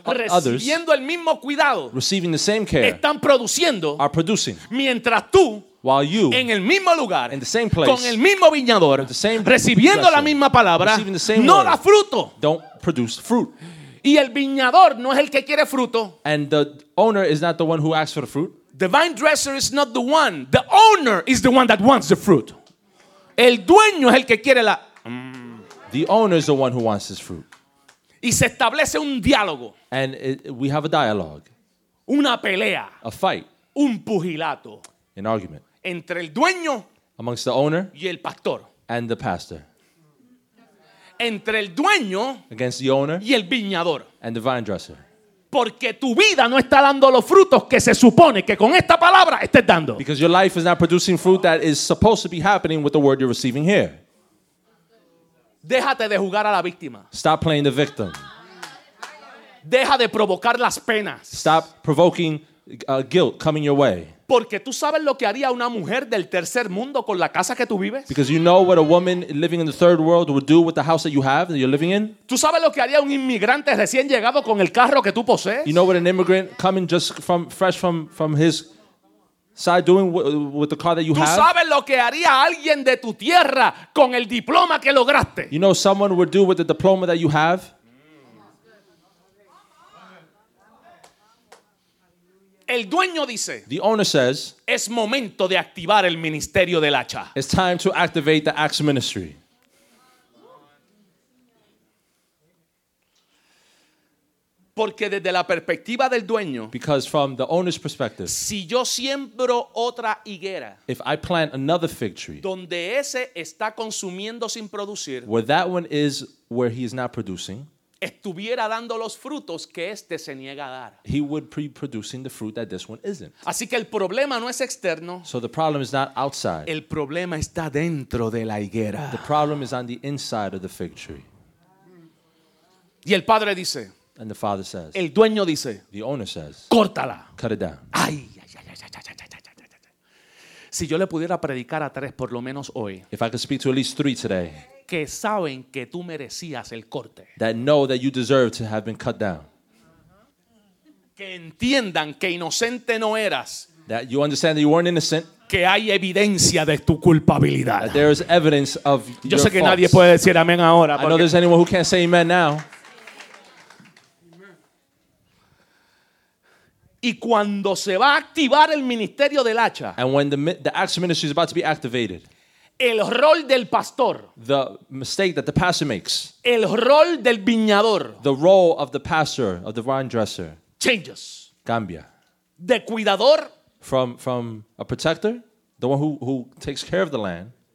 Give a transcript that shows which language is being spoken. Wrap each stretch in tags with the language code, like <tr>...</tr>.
<es>others, recibiendo el mismo cuidado,</es> <en>receiving the same care,</en> <es>están produciendo,</es> <en>are producing,</en> <es>mientras tú,</es> <en>while you,</en> <es>en el mismo lugar,</es> <en>in the same place,</en> <es>con el mismo viñador,</es> <en>the same</en> <es>recibiendo</es> <en>dresser,</en> <es>la misma palabra,</es> <en>receiving the same</en> <es>no</es> <en>word,</en> <es>da fruto.</es> <en>Don't produce fruit.</en> <es>Y el viñador no es el que quiere fruto.</es> <en>And the owner is not the one who asks for the fruit. The vine dresser is not the one. The owner is the one that wants the fruit.</en> <es>El dueño es el que quiere la.</es> <en>The owner is the one who wants his fruit.</en> <es>Y se establece un diálogo.</es> <en>And we have a dialogue.</en> <es>Una pelea.</es> <en>A fight.</en> <es>Un pugilato.</es> <en>An argument.</en> <es>Entre el dueño.</es> <en>Amongst the owner.</en> <es>Y el pastor.</es> <en>And the pastor.</en> <es>Entre el dueño.</es> <en>Against the owner.</en> <es>Y el viñador.</es> <en>And the vine dresser.</en> <es>Porque tu vida no está dando los frutos que se supone que con esta palabra estés dando.</es> <en>Because your life is not producing fruit that is supposed to be happening with the word you're receiving here.</en> <es>Déjate de jugar a la víctima.</es> <en>Stop playing the victim.</en> <es>Deja de provocar las penas.</es> <en>Stop provoking guilt coming your way.</en> <es>Porque tú sabes lo que haría una mujer del tercer mundo con la casa que tú vives.</es> <en>Because you know what a woman living in the third world would do with the house that you have, that you're living in.</en> <es>Tú sabes lo que haría un inmigrante recién llegado con el carro que tú posees.</es> <en>You know what an immigrant coming just from fresh from his side doing with the car that you</en> <es>¿tú</es> <en>have.</en> <es>Tú sabes lo que haría alguien de tu tierra con el diploma que lograste.</es> <en>You know someone would do with the diploma that you have.</en> <es>El dueño dice,</es> <en>the owner says,</en> <es>es momento de activar el ministerio del hacha.</es> <en>It's time to activate the axe ministry.</en> <es>Porque desde la perspectiva del dueño,</es> <en>because from the owner's perspective,</en> <es>si yo siembro otra higuera,</es> <en>if I plant another fig tree,</en> <es>donde ese está consumiendo sin producir,</es> <en>where that one is where he is not producing,</en> <es>estuviera dando los frutos que este se niega a dar.</es> <en>He would be producing the fruit that this one isn't.</en> <es>Así que el problema no es externo.</es> <en>So the problem is not outside.</en> <es>El problema está dentro de la higuera.</es> <en>The problem is on the inside of the fig tree.</en> <es>Y el padre dice.</es> <en>And the father says.</en> <es>El dueño dice.</es> <en>The owner says.</en> <es>Córtala.</es> <en>Cut it down.</en> <es>Ay, ay, ay, ay, ay, ay, ay, ay, ay, ay. Si yo le pudiera predicar a tres por lo menos hoy.</es> <en>If I could speak to at least three today.</en> <es>Que saben que tú merecías el corte.</es> <en>That know that you deserve to have been cut down.</en> <es>Que entiendan que inocente no eras.</es> <en>That you understand that you weren't innocent.</en> <es>Que hay evidencia de tu culpabilidad.</es> <en>That there is evidence of</en> <es>yo</es> <en>your faults. Yo</en> <es>sé que nadie puede decir amén ahora.</es> <en>I know there's anyone who can't say amen now.</en> <es>Y cuando se va a activar el ministerio del hacha,</es> <en>and when the axe ministry is about to be activated,</en> <es>el rol del pastor,</es> <en>the mistake that the pastor makes,</en> <es>el rol del viñador,</es> <en>the role of the pastor, of the vine dresser, changes.</en> <es>Cambia. De cuidador,</es> <en>from a protector, the one who takes care of the land,</en>